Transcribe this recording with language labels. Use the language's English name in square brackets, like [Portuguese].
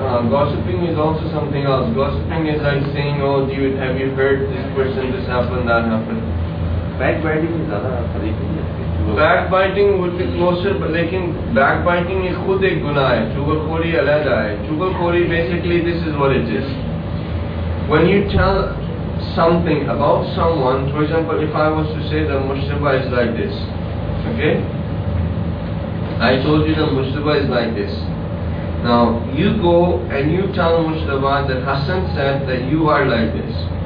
[English] Gossiping is also something else. Gossiping is like saying, oh, have you heard this person, this happened, that happened. Backbiting would be closer, but [Urdu] لیکن back biting یہ خود ایک گناہ ہے، چغل خوری علیحدہ ہے. [English] چغل خوری basically this is what it is. When you tell something about someone, for example, if I was to say that Mushtaba is like this, okay? I told you that Mushtaba is like this. Now, you go and you tell Mushtaba that Hassan said that you are like this.